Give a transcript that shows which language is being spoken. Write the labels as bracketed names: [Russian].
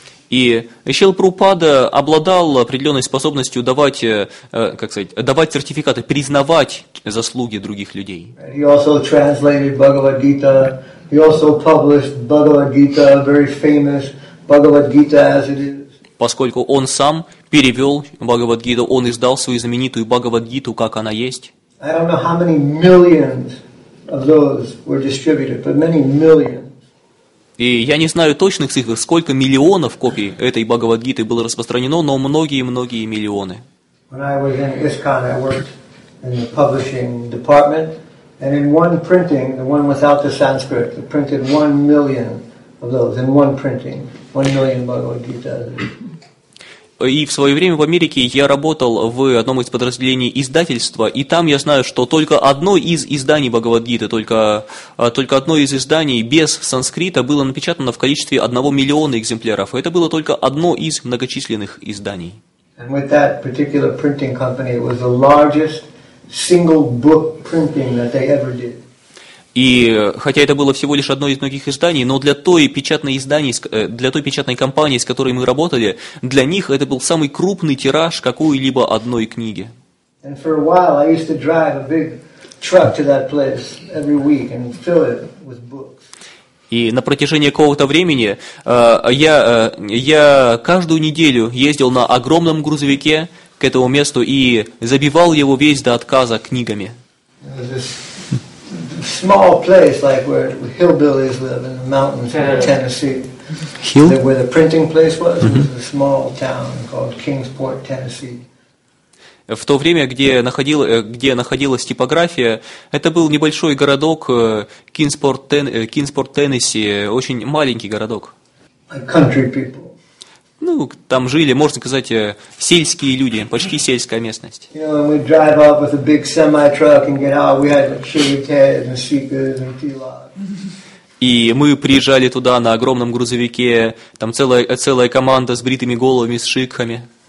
[Russian] И Шрила Прабхупада обладал определенной способностью давать сертификаты, признавать заслуги других людей. [English] He also translated Bhagavad Gita. He also published Bhagavad Gita, very famous Bhagavad Gita as it is. [Russian] Поскольку он сам перевел Бхагавад Гиту, он издал свою знаменитую Бхагавад Гиту, как она есть. [English] I don't know how many millions of those were distributed, but many millions. [Russian] И я не знаю точных цифр, сколько миллионов копий этой Бхагавадгиты было распространено, но многие-многие миллионы. [English] When I was in ISKCON, I worked in the publishing department, and in one printing, the one without the Sanskrit, they printed 1 million of those, in one printing, 1 million Bhagavadgita. [Russian] И в свое время в Америке я работал в одном из подразделений издательства, и там я знаю, что только одно из изданий Бхагавадгиты, только одно из изданий без санскрита было напечатано в количестве 1 миллиона экземпляров. Это было только одно из многочисленных изданий. [English] And with that particular printing company, it was the largest single book printing that they ever did. [Russian] И хотя это было всего лишь одно из многих изданий, но для той печатной компании, с которой мы работали, для них это был самый крупный тираж какой-либо одной книги. [English] And for a while I used to drive a big truck to that place every week and fill it with books. [Russian] И на протяжении какого-то времени я каждую неделю ездил на огромном грузовике к этому месту и забивал его весь до отказа книгами. [English] Small place like where hillbillies live in the mountains in Tennessee. Hill? Where the printing place was, it was a small town called Kingsport, Tennessee. [Russian] В то время, где находилась типография, это был небольшой городок Кингспорт, Теннесси, очень маленький городок. [English] Country people. [Russian] Ну, там жили, можно сказать, сельские люди, почти сельская местность. [English] You know, we'd drive up with a big semi-truck and get out, we had like Chiquitas and Seekers and T-Logs. [Russian] И мы приезжали туда на огромном грузовике, там целая команда с бритыми головами, с шикхами.